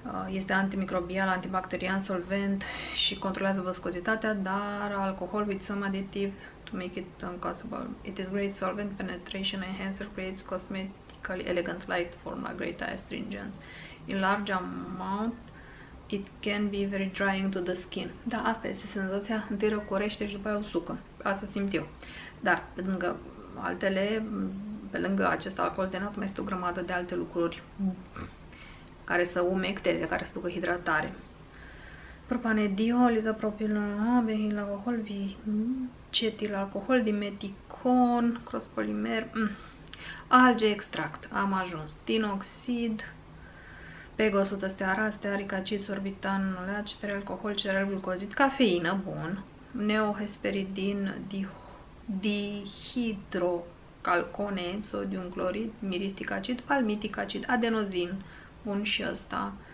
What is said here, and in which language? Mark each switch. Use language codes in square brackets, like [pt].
[ro] Este antimicrobial, antibacterian, solvent și controlează văscozitatea, dar [en] alcohol with some additive to make it impossible. It is great solvent, penetration enhancer, creates cosmetically elegant light formula, great astringent. In large amount, it can be very drying to the skin. [ro] Da, asta este senzația, întâi răcorește și după aia usucă. Asta simt eu. Dar, lângă altele, pe lângă acest alcool denat, mai este o grămadă de alte lucruri care să umecteze, care să ducă hidratare. Propanediol, izopropil, benzil alcohol, cetil alcohol, dimeticon, crospolimer, alge extract, am ajuns, tinoxid, pegosută, stearat, stearic acid, sorbitan, ulea, cetere alcohol, cetere glucozid, cafeină, bun, neohesperidin, dihidrocalcone, sodium clorid, miristic acid, palmitic acid, adenozin. Bun, și ăsta.